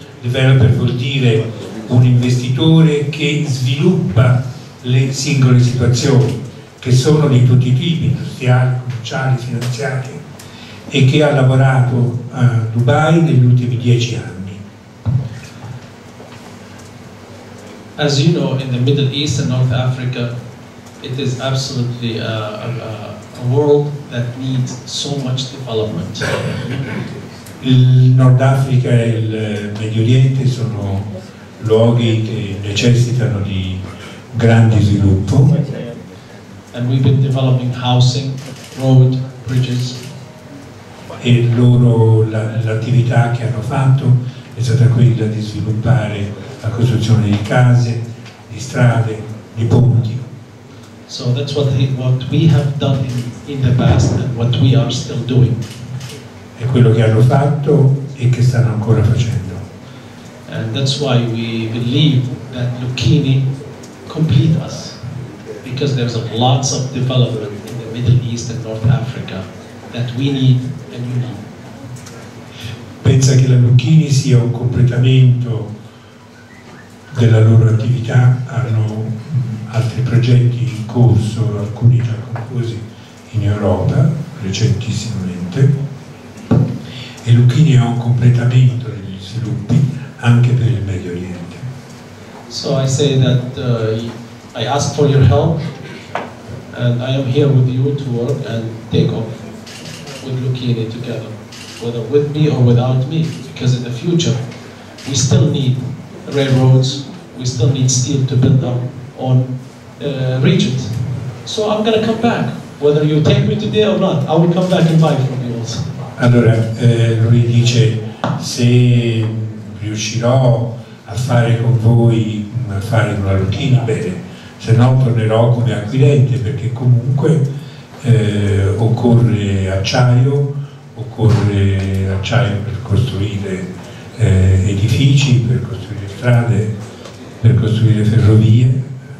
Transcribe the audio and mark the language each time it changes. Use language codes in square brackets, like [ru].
[it] Developer vuol dire un investitore che sviluppa le singole situazioni, che sono di tutti i tipi, industriali, commerciali, finanziari, e che ha lavorato a Dubai negli ultimi 10 anni. [en] As you know, in the Middle East and North Africa, it is absolutely a world that needs so much development. [it] Il Nord Africa e il Medio Oriente sono luoghi che necessitano di grande sviluppo. [en] And we've been developing housing, road, bridges. [it] E loro, l'attività che hanno fatto è stata quella di sviluppare la costruzione di case, di strade, di ponti. [en] So that's what we have done in the past and what we are still doing. [it] È quello che hanno fatto e che stanno ancora facendo. [en] And that's why we believe that Lucchini complete us. Because there's lots of development in the Middle East and North Africa that we need and you need. [it] Pensa che la Lucchini sia un completamento della loro attività, hanno altri progetti in corso, alcuni già conclusi in Europa recentissimamente, e Lucchini è un completamento degli sviluppi anche per il Medio Oriente. [en] So I say that I ask for your help and I am here with you to work and take off with Lucchini together, whether with me or without me, because in the future we still need railroads, we still need steel to build up on regions. So I'm going to come back, whether you take me today or not, I will come back and buy from you also. [it] Allora, lui dice, se riuscirò a fare con voi, a fare con la Lucchini, bene. se no tornerò come acquirente, perché comunque occorre acciaio per costruire edifici, per costruire strade, per costruire ferrovie.